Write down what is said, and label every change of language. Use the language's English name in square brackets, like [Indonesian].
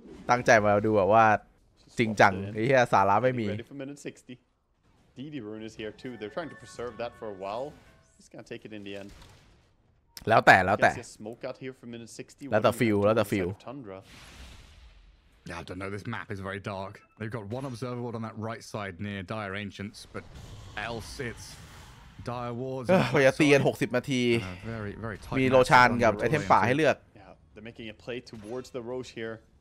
[Thai] ตั้งใจมาดูแบบว่าจริงจังไอ้เหี้ยสาระไม่มี [English] DD rune is here too they're trying to preserve that for a while just gonna take it in the end [Thai] แล้วแต่ [English] smoke out here for minute 60 [Thai] แล้วแต่ฟิล [English] Tundra yeah I don't know this map is very dark they've got one observer ward on that right side near dire ancients but else it's dire wards [Thai] พยายามตีกัน60นาทีมีโรชานกับไอเทมป่าให้เลือก [English] they're making a play towards the roche here